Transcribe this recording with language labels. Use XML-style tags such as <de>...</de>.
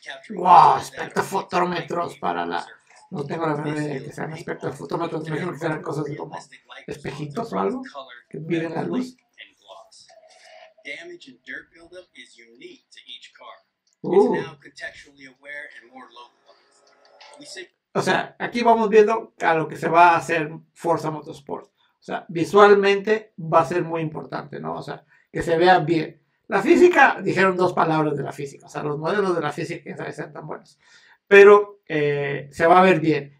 <es>Wow, espectrofotómetros para la... No tengo la idea de que sean espectrofotómetros, me imagino que sean cosas como espejitos o algo, que miren la luz.</es> <en>Damage and dirt buildup is unique to each car. It's now contextually aware and more localized.</en> <es>O sea, aquí vamos viendo a lo que se va a hacer Forza Motorsport. O sea, visualmente va a ser muy importante, ¿no? O sea, que se vea bien. La física, dijeron dos palabras de la física. O sea, los modelos de la física que sean tan buenos. Pero se va a ver bien.</es>